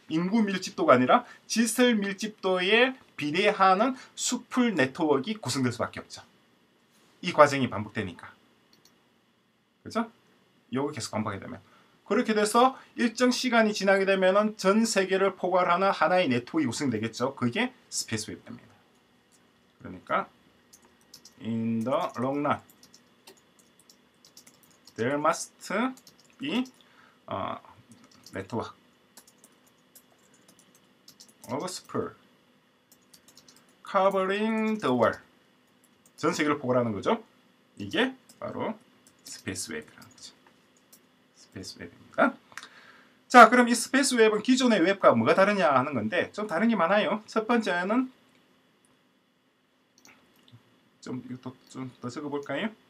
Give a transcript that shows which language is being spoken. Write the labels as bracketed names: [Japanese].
[Korean] 인구 밀집도가 아니라 지설 밀집도에 비례하는 수풀 네트워크가 구성될 수밖에 없죠. 이 과정이 반복되니까. 그죠? 요거 계속 반복이 되면 그렇게 돼서 일정 시간이 지나게 되면은 전 세계를 포괄하는 하나의 네트워크가 구성되겠죠. 그게 스페이스 웹 됩니다. 그러니까 [English] in the long run there must be a network of spur covering the world. [Korean] 전 세계를 포괄하는 거죠. 이게 바로 스페이스 웹이라는 거죠. 스페이스 웹입니다. 자, 그럼 이 스페이스 웹은 기존의 웹과 뭐가 다르냐 하는 건데 좀 다른 게 많아요. 첫 번째는 좀 이것도 좀 더 적어볼까요?